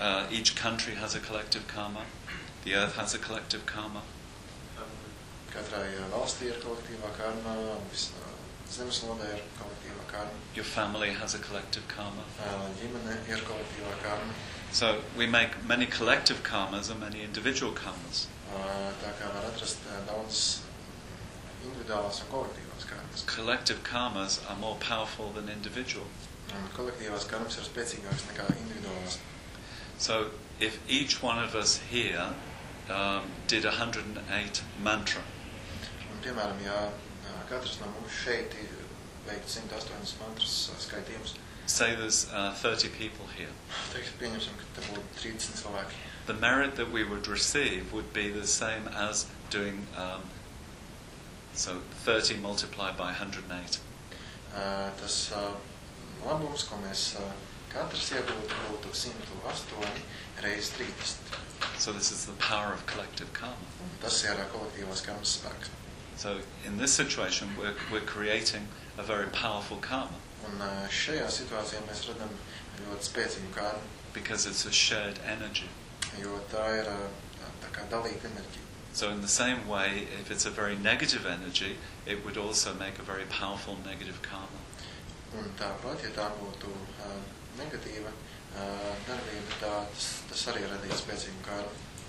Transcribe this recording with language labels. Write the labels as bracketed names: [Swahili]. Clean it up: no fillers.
[English] Each country has a collective karma. The earth has a collective karma. [Latvian] Katrai valstī ir kolektīvā karma, visa zemeslodē ir kolektīvā karma. [English] Your family has a collective karma. [Latvian] Ģimene ir kolektīvā karma. [English] So we make many collective karmas and many individual karmas. [Latvian] Tā kā var atrast daudz individuālās un kolektīvās karmas. [English] Collective karmas are more powerful than individual. [Latvian] Kolektīvās karmas ir spēcīgākas nekā individuālās. [English] So if each one of us here did 108 mantra. [Latvian] Un piemēram, ja katrs no mums šeit veiktu 108 mantras skaitījumus. [English] Say there's 30 people here. [Latvian] Teiksim, pieņemsim, ka te būtu 30 cilvēki. [English] The merit that we would receive would be the same as doing so 30 multiplied by 108. [Latvian] Tas labums, ko mēs katrs iegūtu, būtu 108 reiz 30. [English] So this is the power of collective karma. [Latvian] Tas ir kolektīvās karmas spēks. [English] So in this situation we're creating a very powerful karma. [Latvian] Un šajā situācijā mēs redzam ļoti spēcīgu karmu. [English] Because it's a shared energy. [Latvian] Jo tā ir tā kā dalīta enerģija. [English] So in the same way, if it's a very negative energy, it would also make a very powerful negative karma. [Latvian] Un tāpat, ja tā būtu negatīva darbība, tā tas arī radīja spēcīgu karmu.